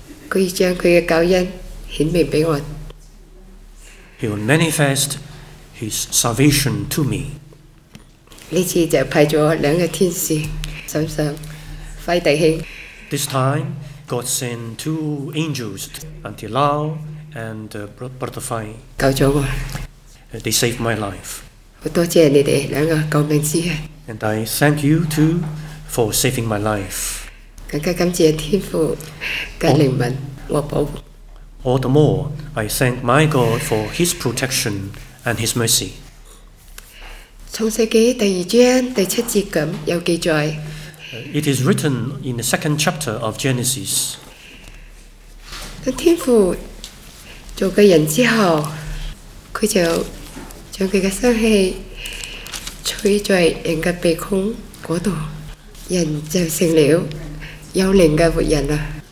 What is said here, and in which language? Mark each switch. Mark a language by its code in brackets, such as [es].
[en] He will manifest. His salvation to me. [yue] 呢次就派咗两个天使，沈沈、辉弟兄。 [en] This time, God sent two angels, Auntie Lau and Brother Fei. [yue] 救咗我。 [en] They saved my life. [yue] 我多谢你哋两个救命之恩。 [en] And I thank you too for saving my life. [yue] 更加感谢天父嘅怜悯和保护。 [en] All the more, I thank my God for His protection. And His mercy. [yue] 創世記第二章第七節咁有記載。 [en] It is written in the second chapter of Genesis. [yue] 當天父做嘅人之後，佢就將佢嘅生氣吹在人嘅鼻孔嗰度，人就成了有靈嘅活人啦。